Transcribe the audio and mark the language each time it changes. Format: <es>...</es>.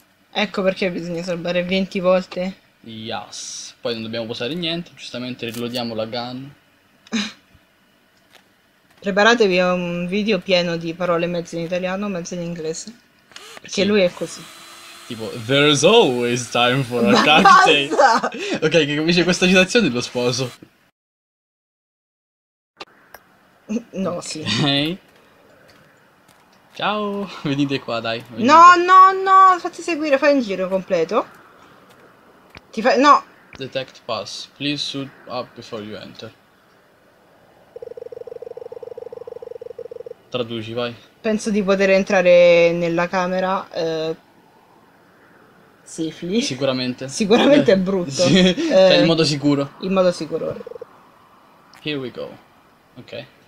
<it>Ecco perché bisogna salvare 20 volte.</it> <en>Yes.</en> <it>Poi non dobbiamo posare niente. Giustamente riloadiamo la gun. Preparatevi a un video pieno di parole mezze in italiano, mezze in inglese. Perché sì. Lui è così.</it> <en>Tipo, there's always time for a cocktail.</en> <it>Ok, che capisce questa citazione lo sposo. No, okay. Sì. Hey. Ciao, venite qua, dai. Venite. No, fatti seguire, fai un giro completo. Ti fai... No.</it> <en>Detect pass. Please suit up before you enter.</en> <it>Traduci, vai. Penso di poter entrare nella camera safely. Sicuramente. Sicuramente è brutto. Sì. Cioè, in modo sicuro. In modo sicuro.</it> <en>Here we go. Ok.</en>